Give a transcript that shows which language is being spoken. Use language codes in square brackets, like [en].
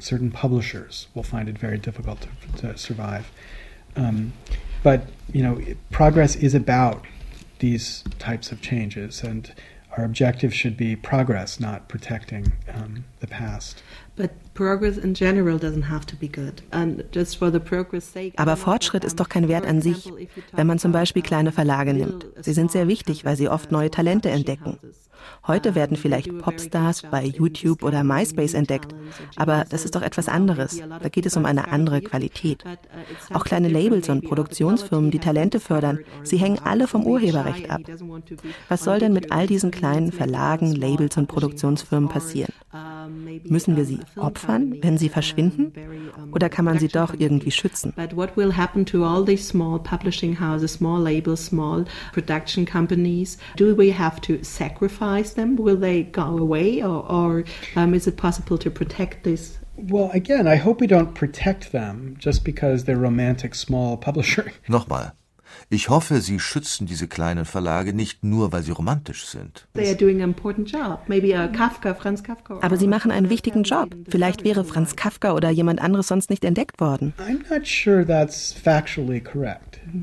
[en] Certain publishers will find it very difficult to survive. But, you know, progress is about these types of changes, and our objective should be progress, not protecting the past. But progress in general doesn't have to be good. And just for the progress sake. [de] Aber Fortschritt ist doch kein Wert an sich, wenn man zum Beispiel kleine Verlage nimmt. Sie sind sehr wichtig, weil sie oft neue Talente entdecken. Heute werden vielleicht Popstars bei YouTube oder MySpace entdeckt, aber das ist doch etwas anderes. Da geht es um eine andere Qualität. Auch kleine Labels und Produktionsfirmen, die Talente fördern, sie hängen alle vom Urheberrecht ab. Was soll denn mit all diesen kleinen Verlagen, Labels und Produktionsfirmen passieren? Müssen wir sie opfern, wenn sie verschwinden? Oder kann man sie doch irgendwie schützen? [en] But what will happen to all these small publishing houses, small labels, small production companies? Do we have to sacrifice them? Will they go away? Or is it possible to protect this? Well, again, I hope we don't protect them just because they're romantic small publisher. [de] Nochmal. Ich hoffe, sie schützen diese kleinen Verlage nicht nur, weil sie romantisch sind. [en] They are doing an important job. Maybe a Kafka, Franz Kafka. [de] Aber sie machen einen wichtigen Job. Vielleicht wäre Franz Kafka oder jemand anderes sonst nicht entdeckt worden. [en] I'm not sure that's factually correct.